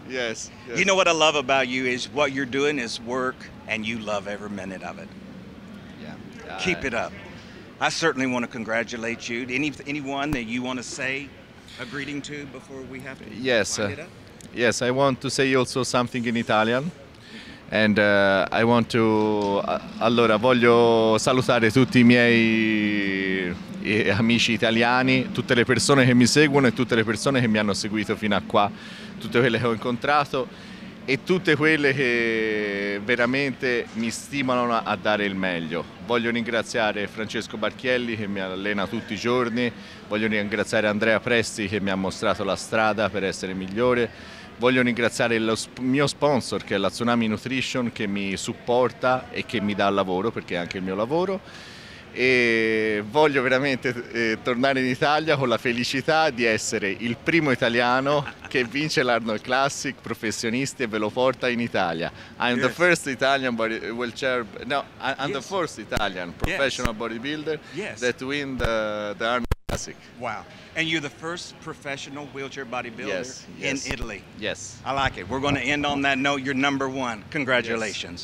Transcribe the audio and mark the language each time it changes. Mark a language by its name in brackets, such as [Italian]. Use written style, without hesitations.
[English] Yes, yes. You know what I love about you is what you're doing is work, and you love every minute of it. Yeah. Keep it up. I certainly want to congratulate you. Anyone that you want to say a greeting to before we have to yes, wind it up? Yes, I want to say also something in Italian. And I want [Italian] to allora voglio salutare tutti i miei amici italiani, tutte le persone che mi seguono e tutte le persone che mi hanno seguito fino a qua, tutte quelle che ho incontrato e tutte quelle che veramente mi stimolano a dare il meglio. Voglio ringraziare Francesco Barchielli che mi allena tutti i giorni, voglio ringraziare Andrea Presti che mi ha mostrato la strada per essere migliore. Voglio ringraziare il mio sponsor che è la Tsunami Nutrition che mi supporta e che mi dà lavoro perché è anche il mio lavoro e voglio veramente tornare in Italia con la felicità di essere il primo italiano che vince l'Arnold Classic professionisti e ve lo porta in Italia. [English] I'm yes. the first Italian body, wheelchair, no, I'm yes. the first Italian professional yes. bodybuilder yes. that win the Arnold Classic. Wow. And you're the first professional wheelchair bodybuilder yes, yes. in Italy. Yes. I like it. We're going to end on that note. You're number one. Congratulations.